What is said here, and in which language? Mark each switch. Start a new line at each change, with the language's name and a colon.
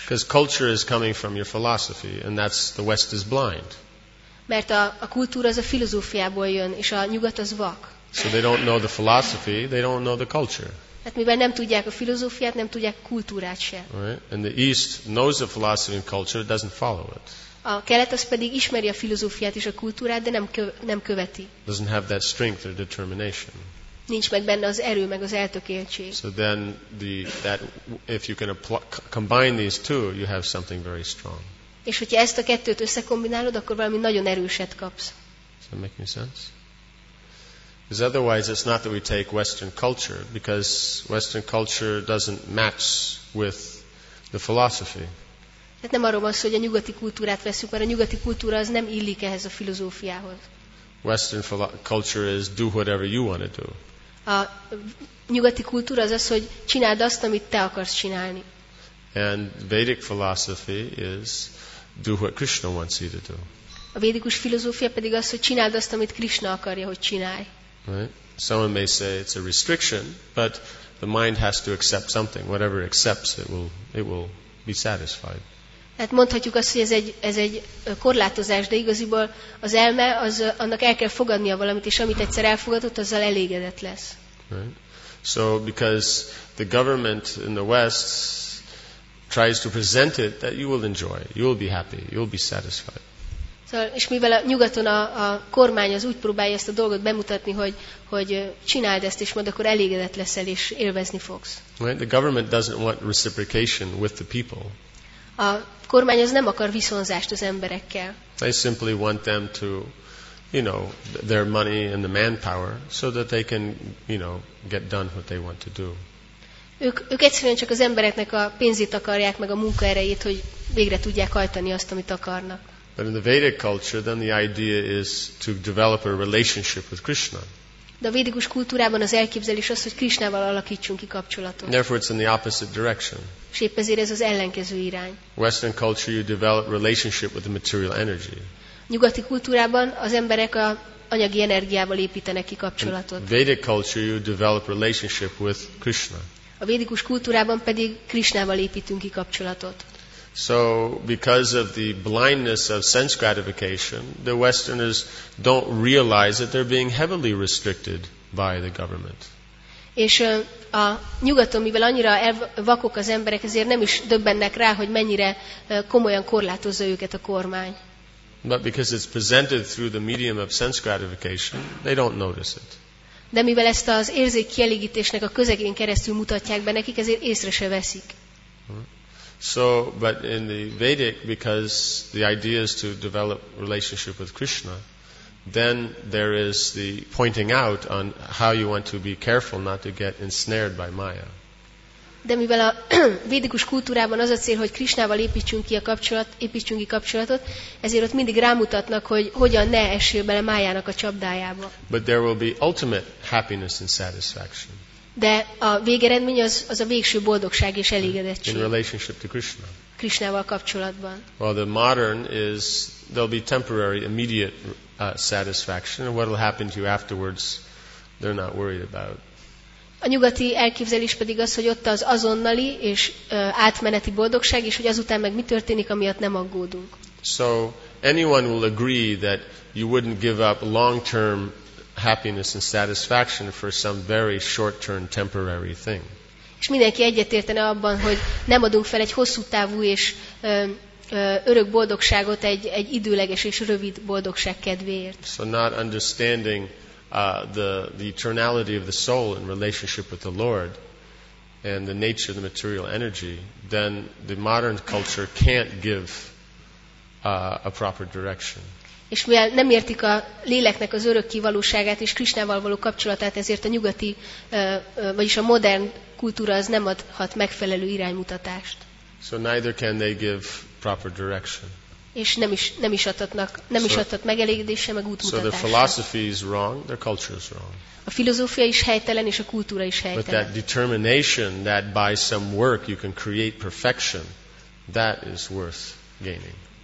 English: Because culture is coming from your philosophy, and that's the West is blind.
Hungarian: Mert a kultúra az a filozófiából jön, és a nyugat az vak.
English: So they don't know the philosophy, they don't know the culture.
Hungarian: Hát mivel nem tudják a filozófiát, nem tudják a kultúrát se.
English: Right? And the East knows the philosophy and culture, it doesn't follow it.
Hungarian: A kelet az pedig ismeri a filozófiát és a kultúrát, de nem követi.
English: Doesn't have that strength or determination.
Hungarian: Nincs meg benne az erő, meg az eltökéltség.
English: So then that if you can combine these two, you have something very strong.
Hungarian: És hogyha ezt a kettőt összekombinálod, akkor valami nagyon erőset kapsz.
English: Does that make any sense? Because otherwise it's not that we take Western culture, because Western culture doesn't match with the philosophy.
Hungarian: Tehát nem arról van szó, hogy a nyugati kultúrát veszünk, mert a nyugati kultúra az nem illik ehhez a filozófiához.
English: Western culture is do whatever you want to do.
Hungarian: A nyugati kultúra az, hogy csináld azt, amit te akarsz csinálni.
English: And Vedic philosophy is do what Krishna wants you to do.
Hungarian: A védikus filozófia pedig az, hogy csináld azt, amit Krishna akarja, hogy csinálj.
English: Right? Someone may say it's a restriction, but the mind has to accept something. Whatever it accepts, it will be satisfied.
Hungarian: Hát mondhatjuk azt, hogy ez egy korlátozás, de igaziból az elme, az annak el kell fogadnia valamit, és amit egyszer elfogadott, azzal elégedett lesz.
English: Right. So because the government in the West tries to present it that you will enjoy, you will be happy, you will be satisfied.
Hungarian: Szóval, és mivel a nyugaton a kormány az úgy próbálja ezt a dolgot bemutatni, hogy csináld ezt, és majd akkor elégedett leszel és élvezni fogsz.
English: Right. The government doesn't want reciprocation with the people.
Hungarian: A kormány az nem akar viszonzást az emberekkel.
English: They simply want them to, you know, their money and the manpower so that they can, you know, get done what they want to do.
Hungarian: Ők egyszerűen csak az embereknek a pénzét akarják, meg a munkaerejét, hogy végre tudják hajtani azt, amit akarnak.
English: But in the Vedic culture, then the idea is to develop a relationship with Krishna.
Hungarian: De a védikus kultúrában az elképzelés az, hogy Krisnával alakítsunk ki kapcsolatot.
English: Therefore it's in the opposite direction.
Hungarian: És épp ezért ez az ellenkező irány.
English: Western culture you develop relationship with the material energy.
Hungarian: Nyugati kultúrában az emberek a anyagi energiával építenek ki kapcsolatot.
English: In Vedic culture you develop relationship with Krishna.
Hungarian: A védikus kultúrában pedig Krisnával építünk ki kapcsolatot.
English: So because of the blindness of sense gratification, the Westerners don't realize that they're being heavily restricted by the government.
Hungarian: És a nyugaton, mivel annyira vakok az emberek, ezért nem is döbbennek rá, hogy mennyire komolyan korlátozza őket a kormány.
English: But because it's presented through the medium of sense gratification, they don't notice it.
Hungarian: De mivel ezt az érzékkielégítésnek a közegén keresztül mutatják be nekik, ezért észre se veszik.
English: So, but in the Vedic, because the idea is to develop relationship with Krishna, then there is the pointing out on how you want to be careful not to get ensnared by Maya.
Hungarian: De mivel a védikus kultúrában az a cél, hogy Krishnával építsünk ki kapcsolatot, ezért ott mindig rámutatnak, hogy hogyan ne essél bele Mayának a csapdájába.
English: But there will be ultimate happiness and satisfaction.
Hungarian: De a végeredmény az a végső boldogság és elégedettség.
English: In relationship to Krishna.
Hungarian: Krishnával kapcsolatban.
English: Well, the modern is there'll be temporary, immediate satisfaction, and what will happen to you afterwards, they're not worried about.
Hungarian: A nyugati elképzelés pedig az, hogy ott az azonnali és átmeneti boldogság, és hogy azután meg mi történik, amiatt nem aggódunk.
English: So anyone will agree that you wouldn't give up long-term happiness and satisfaction for some very short-term temporary thing.
Hungarian: És mindenki egyetértene abban, hogy nem adunk fel egy hosszú távú és örök boldogságot egy időleges és rövid boldogság kedvéért.
English: So not understanding the eternality of the soul in relationship with the Lord and the nature of the material energy, then the modern culture can't give a proper direction.
Hungarian: És mivel nem értik a léleknek az örökké valóságát és Krisnával való kapcsolatát, ezért a nyugati, vagyis a modern kultúra az nem adhat megfelelő iránymutatást.
English: So neither can they give proper direction.
Hungarian: És nem is adhat megelégedést, meg útmutatást.
English: So the philosophy is wrong, their culture is wrong.
Hungarian: A filozófia is helytelen, és a kultúra is helytelen.
English: But that determination that by some work you can create perfection, that is worth gaining.